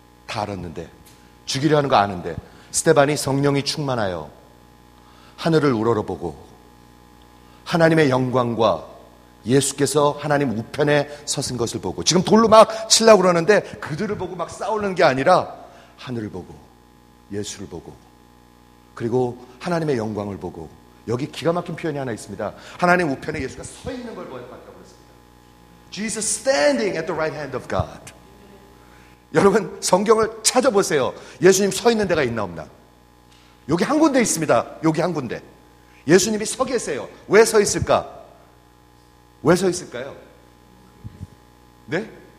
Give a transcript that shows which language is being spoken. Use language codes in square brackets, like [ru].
[ko] 다 알았는데, 죽이려 하는 거 아는데, 스데반이 성령이 충만하여 하늘을 우러러보고 하나님의 영광과 예수께서 하나님 우편에 서신 것을 보고, 지금 돌로 막 치려고 그러는데 그들을 보고 막 싸우는 게 아니라 하늘을 보고 예수를 보고 그리고 하나님의 영광을 보고, 여기 기가 막힌 표현이 하나 있습니다. 하나님 우편에 예수가 서 있는 걸 보았다고 했습니다. [en] Jesus standing at the right hand of God. [ko] 여러분 성경을 찾아보세요. 예수님 서 있는 데가 있나 없나. 여기 한 군데 있습니다. 여기 한 군데 예수님이 서 계세요. 왜 서 있을까? 왜 서 있을까요? 네?